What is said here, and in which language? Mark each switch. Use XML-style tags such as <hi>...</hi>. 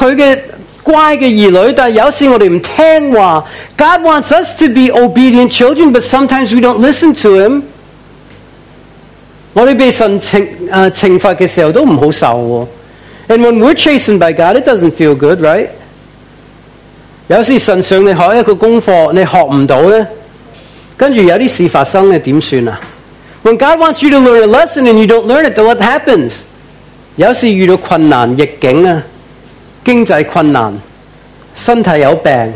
<zh>神是想我们做他的乖的儿女,但有时我们不听话。</zh> <en>God wants us to be obedient children, but sometimes we don't listen to Him.</en> <zh>我们被神惩罚的时候都不好受。</zh> <en>And when we're chastened by God, it doesn't feel good, right?</en> <zh>有时神想你学一个功课,你学不到,跟着有些事发生,怎么办?</zh> <en>When God wants you to learn a lesson and you don't learn it, then what happens?</en> <zh>有时遇到困难,逆境,经济困难,身体有病。</zh>